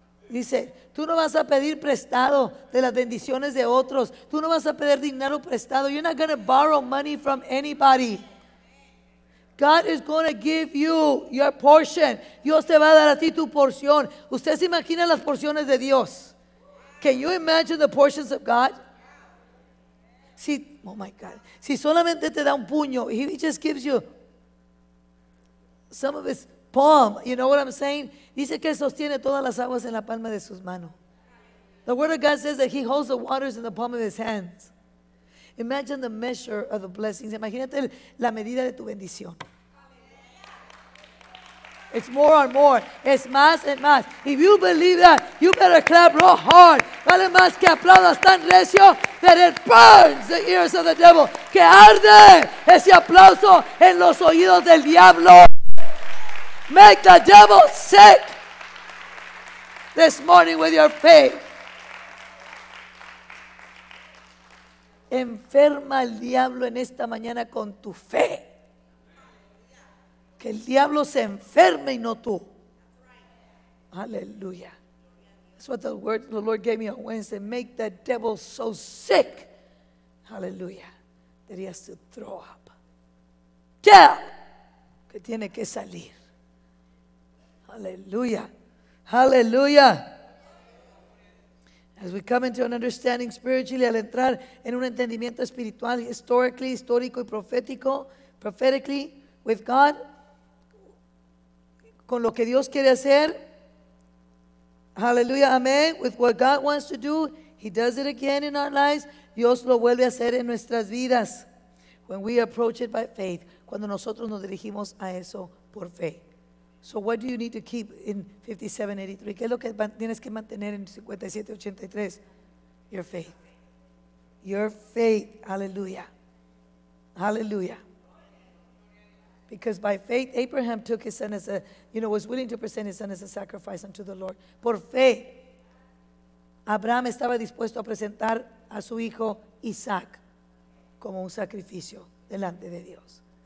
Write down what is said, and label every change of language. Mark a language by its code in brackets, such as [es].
[es] Dice, tú no vas a pedir prestado de las bendiciones de otros. Tú no vas a pedir dinero prestado. [en] You're not going to borrow money from anybody. God is going to give you your portion. [es] Dios te va a dar a ti tu porción. ¿Usted se imagina las porciones de Dios? [en] Can you imagine the portions of God? [es] Si, [en] oh my God. [es] Si solamente te da un puño, [en] he just gives you some of his palm. You know what I'm saying? [es] Dice que sostiene todas las aguas en la palma de sus manos. [en] The word of God says that he holds the waters in the palm of his hands. Imagine the measure of the blessings. [es] Imagínate la medida de tu bendición. [en] It's more and more. [es] Es más y más. [en] If you believe that, you better clap real hard. [es] Vale más que aplaudas tan recio [en] that it burns the ears of the devil. [es] Que arde ese aplauso en los oídos del diablo. [en] Make the devil sick this morning with your faith. [es] Enferma al diablo en esta mañana con tu fe. Que el diablo se enferme y no tú. Aleluya. [en] That's what the word the Lord gave me on Wednesday. Make the devil so sick. Aleluya. That he has to throw up. Yeah. [es] Que tiene que salir. [en] Aleluya. Aleluya. As we come into an understanding spiritually, [es] al entrar en un entendimiento espiritual, [en] historically, [es] histórico y profético, [en] prophetically, with God, [es] con lo que Dios quiere hacer, [en] aleluya, amén, with what God wants to do, he does it again in our lives, [es] Dios lo vuelve a hacer en nuestras vidas, [en] when we approach it by faith, [es] cuando nosotros nos dirigimos a eso por fe. [en] So what do you need to keep in 5783? [es] ¿Qué es lo que tienes que mantener en 5783? [en] Your faith. Your faith, aleluya. Aleluya. Because by faith, Abraham took his son as a, you know, was willing to present his son as a sacrifice unto the Lord. [es] Por fe, Abraham estaba dispuesto a presentar a su hijo Isaac como un sacrificio delante de Dios.